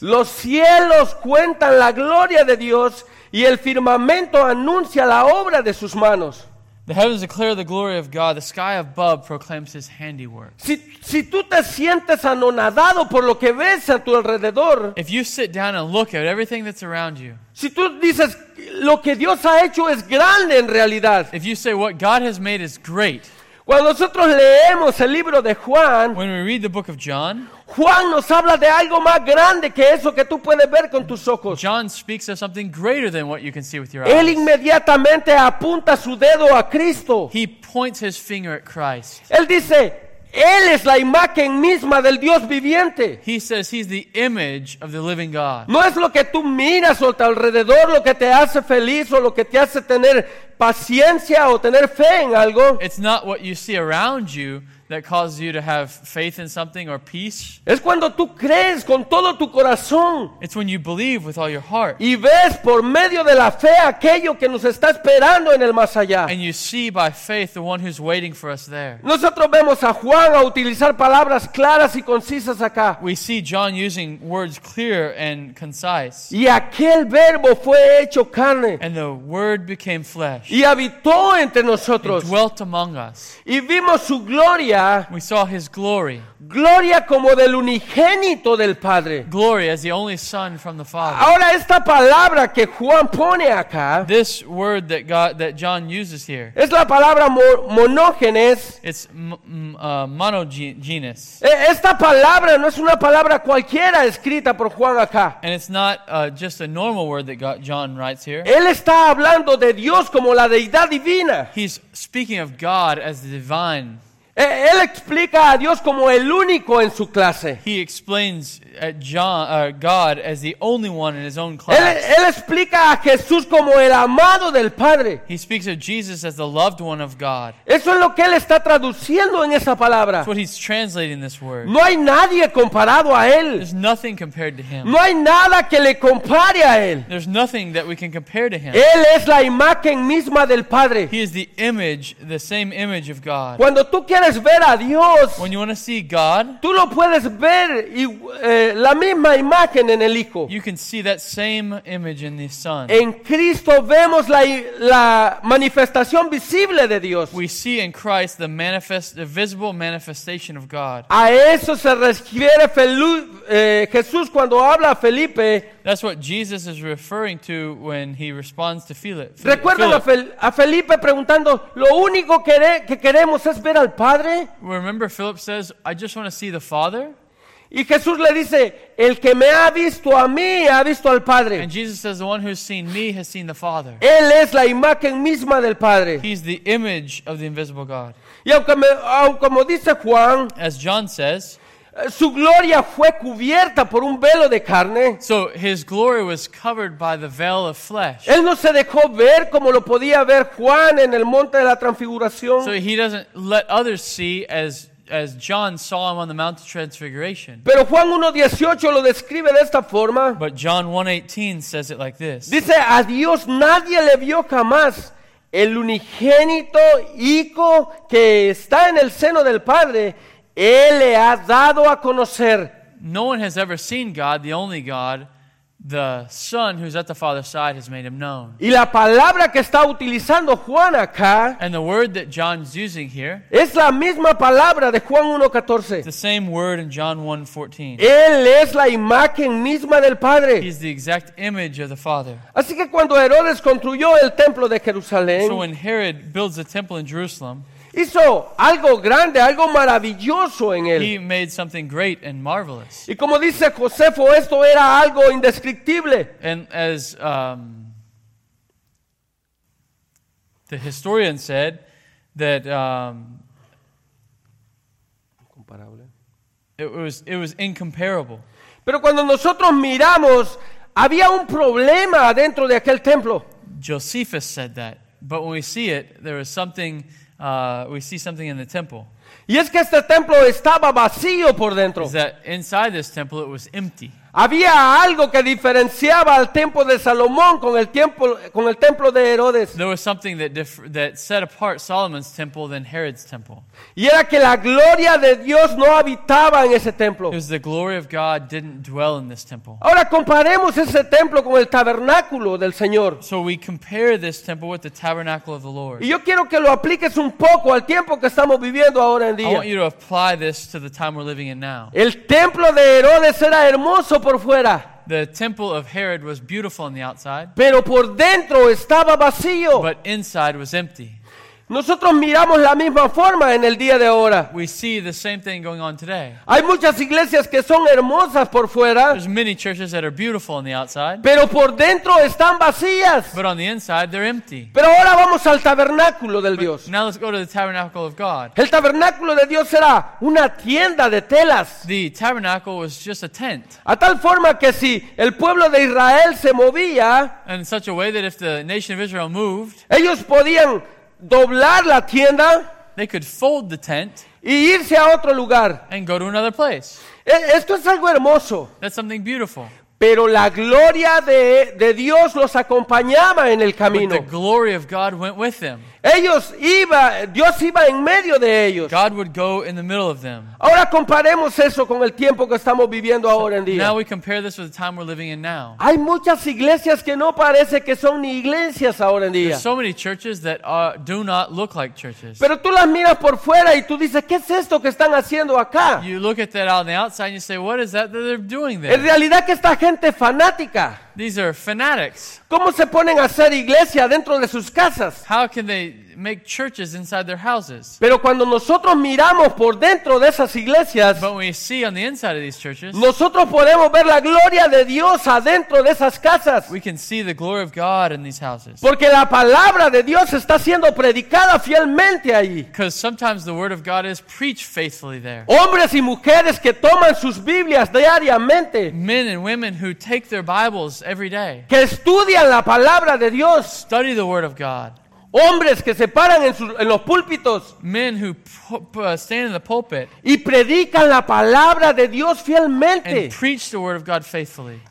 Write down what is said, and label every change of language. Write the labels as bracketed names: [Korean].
[Spanish] Los cielos cuentan la gloria de Dios y el firmamento anuncia la obra de sus manos. [English] The heavens declare the glory of God. The sky above proclaims his handiwork. [Spanish] Si tú te sientes anonadado por lo que ves a tu alrededor, [English] if you sit down and look at everything that's around you, [Spanish] si tú dices lo que Dios ha hecho es grande en realidad, [English] if you say what God has made is great, [Spanish] cuando nosotros leemos el libro de Juan, [English] when we read the book of John, [Spanish] Juan nos habla de algo más grande que eso que tú puedes ver con tus ojos. [English] John speaks of something greater than what you can see with your eyes. [Spanish] Él inmediatamente apunta su dedo a Cristo. [English] He points his finger at Christ. [Spanish] Él dice, Él es la imagen misma del Dios viviente. [English] He says he's the image of the living God. [Spanish] No es lo que tú miras o tu alrededor lo que te hace feliz o lo que te hace tener paciencia o tener fe en algo. [English] It's not what you see around you that causes you to have faith in something or peace. [Spanish] Es cuando tú crees con todo tu corazón. [English] It's when you believe with all your heart. [Spanish] Y ves por medio de la fe aquello que nos está esperando en el más allá. [English] And you see by faith the one who's waiting for us there. [Spanish] Nosotros vemos a Juan a utilizar palabras claras y concisas acá. [English] We see John using words clear and concise. [Spanish] Y aquel verbo fue hecho carne. [English] And the word became flesh. [Spanish] Y habitó entre nosotros. [English] It dwelt among us. [Spanish] Y vimos su gloria. [English] We saw his glory. [Spanish] Gloria como del unigénito del Padre. [English] Glory as the only Son from the Father. [Spanish] Ahora esta palabra que Juan pone acá. [English] This word that God, that John uses here. [Spanish] Es la palabra monógenes. [English] It's monogenes. [Spanish] Esta palabra no es una palabra cualquiera escrita por Juan acá. [English] And it's not just a normal word that John writes here. [Spanish] Él está hablando de Dios como la deidad divina. [English] He's speaking of God as the divine. [Spanish] Él explica a Dios como el único en su clase. [English] He explains God as the only one in his own class. [Spanish] Él explica a Jesús como el amado del Padre. [English] He speaks of Jesus as the loved one of God. [Spanish] Eso es lo que él está traduciendo en esa palabra. [English] That's what he's translating this word. [Spanish] No hay nadie comparado a él. [English] There's nothing compared to him. [Spanish] No hay nada que le compare a él. [English] There's nothing that we can compare to him. [Spanish] Él es la imagen misma del Padre. [English] He is the image, the same image of God. [Spanish] Cuando tú quieres ver a Dios, [English] when you want to see God, [Spanish] tú lo puedes ver y la misma imagen en el Hijo. [English] You can see that same image in the Son. [Spanish] En Cristo vemos la manifestación visible de Dios. [English] We see in Christ the visible manifestation of God. [Spanish] A eso se refiere Jesús cuando habla a Felipe. [English] That's what Jesus is referring to when he responds to Philip. [Spanish] Recuerdan a Felipe preguntando, lo único que queremos es ver al Padre. [English] Remember Philip says, I just want to see the Father. [Spanish] Y Jesús le dice, el que me ha visto a mí ha visto al Padre. [English] And Jesus says, the one who has seen me has seen the Father. [Spanish] Él es la imagen misma del Padre. [English] He's the image of the invisible God. [Spanish] Y como dice Juan, [English] as John says, [Spanish] su gloria fue cubierta por un velo de carne. [English] So his glory was covered by the veil of flesh. [Spanish] Él no se dejó ver como lo podía ver Juan en el monte de la transfiguración. [English] So he doesn't let others see as as John saw him on the Mount of Transfiguration. [Spanish] Pero Juan 1:18 lo describe de esta forma. [English] But John 1:18 says it like this. [Spanish] Dice, a Dios nadie le vio jamás. El unigénito Hijo que está en el seno del Padre, Él le ha dado a conocer. [English] No one has ever seen God, the only God, the Son who's at the Father's side has made Him known. [Spanish] Y la palabra que está utilizando Juan acá, [English] and the word that John's using here, [Spanish] es la misma palabra de Juan 1:14. [English] It's the same word in John 1:14. [Spanish] Él es la imagen misma del Padre. [English] He's the exact image of the Father. [Spanish] Así que cuando Herodes construyó el templo de Jerusalén, [English] so when Herod builds a temple in Jerusalem, [Spanish] hizo algo grande, algo maravilloso en él. [English] He made something great and marvelous. [Spanish] Y como dice Josefo, esto era algo indescriptible. [English] And as the historian said, that comparable. It was incomparable. [Spanish] Pero cuando nosotros miramos, había un problema dentro de aquel templo. [English] Josephus said that, but when we see it, there is something. We see something in the temple. [Spanish] Y es que este templo estaba vacío por dentro. [English] Is that inside this temple it was empty. [Spanish] Había algo que diferenciaba al templo de Salomón con el templo de Herodes. [English] There was something that set apart Solomon's temple than Herod's temple. [Spanish] Y era que la gloria de Dios no habitaba en ese templo. [English] It was the glory of God didn't dwell in this temple. [Spanish] Ahora comparemos ese templo con el tabernáculo del Señor. [English] So we compare this temple with the tabernacle of the Lord. [Spanish] Y yo quiero que lo apliques un poco al tiempo que estamos viviendo ahora en día. [English] I want you to apply this to the time we're living in now. [Spanish] El templo de Herodes era hermoso. Por fuera. [English] The temple of Herod was beautiful on the outside, [Spanish] pero por dentro estaba vacío. [English] But inside was empty. [Spanish] Nosotros miramos la misma forma en el día de ahora. [English] We see the same thing going on today. [Spanish] Hay muchas iglesias que son hermosas por fuera. [English] There's many churches that are beautiful on the outside, [Spanish] pero por dentro están vacías. [English] But on the inside they're empty. [Spanish] Pero ahora vamos al tabernáculo del Dios. [English] But now let's go to the tabernacle of God. [Spanish] El tabernáculo de Dios era una tienda de telas. [English] The tabernacle was just a tent. [Spanish] A tal forma que si el pueblo de Israel se movía, [English] in such a way that if the nation of Israel moved, [Spanish] ellos podían doblar la tienda, [English] they could fold the tent, [Spanish] y irse a otro lugar, [English] and go to another place. [Spanish] Esto es algo hermoso. [English] That's something beautiful. [Spanish] Pero la gloria de Dios los acompañaba en el camino. [English] But the glory of God went with them. [Spanish] Dios iba en medio de ellos. [English] God would go in the middle of them. [Spanish] Ahora comparemos eso con el tiempo que estamos viviendo ahora en día. [English] Now we compare this with the time we're living in now. [Spanish] Hay muchas iglesias que no parece que son ni iglesias ahora en día. [English] There's so many churches that are, do not look like churches. [Spanish] Pero tú las miras por fuera y tú dices, ¿qué es esto que están haciendo acá? [English] You look at that on the outside and you say, what is that that they're doing there? [Spanish] En realidad que esta gente fanática. [English] These are fanatics. [Spanish] ¿Cómo se ponen a hacer iglesia dentro de sus casas? [English] How can they make churches inside their houses? [Spanish] Pero cuando nosotros miramos por dentro de esas iglesias, [English] but when we see on the inside of these churches, [Spanish] nosotros podemos ver la gloria de Dios adentro de esas casas. [English] We can see the glory of God in these houses. [Spanish] Porque la palabra de Dios está siendo predicada fielmente allí. [English] Because sometimes the word of God is preached faithfully there. [Spanish] Hombres y mujeres que toman sus Biblias diariamente, [English] men and women who take their Bibles every day, [Spanish] que estudian la palabra de Dios, [English] study the word of God. [Spanish] Hombres que se paran en los púlpitos, [English] men who stand in the pulpit, [Spanish] y predican la palabra de Dios fielmente, [English] and preach the word of God faithfully.